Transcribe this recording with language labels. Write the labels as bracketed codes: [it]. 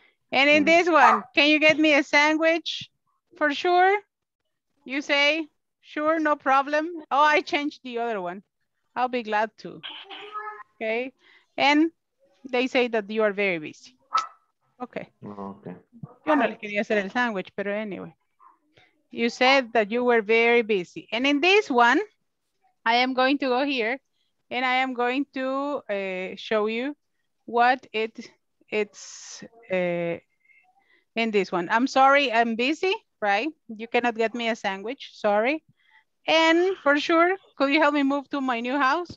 [en] And in this one, can you get me a sandwich for sure? You say, sure, no problem. Oh, I changed the other one. I'll be glad to, okay? And they say that you are very busy. Okay. Okay. [es] Yo no le quería hacer el sandwich, pero anyway. [en] You said that you were very busy. And in this one, I am going to go here and I am going to show you what it's in this one. I'm sorry, I'm busy. Right, you cannot get me a sandwich, sorry. And for sure, could you help me move to my new house?